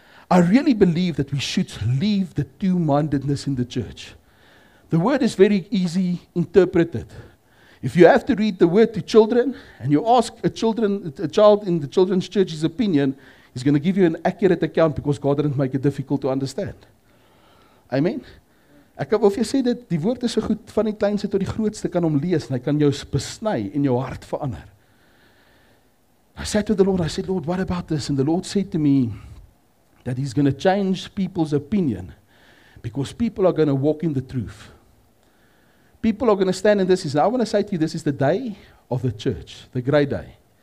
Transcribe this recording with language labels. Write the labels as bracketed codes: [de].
[en] I really believe that we should leave the two-mindedness in the church. The word is very easy interpreted. If you have to read the word to children, and you ask a child in the children's church's opinion, he's going to give you an accurate account because God didn't make it difficult to understand. Amen? [af] Ek wil vir jou sê dat die woord is so goed, van die kleinste tot die grootste kan hom lees, en hy kan jou besny en jou hart verander. [en] I said to the Lord, I said, Lord, what about this? And the Lord said to me, that he's going to change people's opinion, because people are going to walk in the truth. People are going to stand in this, and I want to say to you, this is the day of the church, the great day.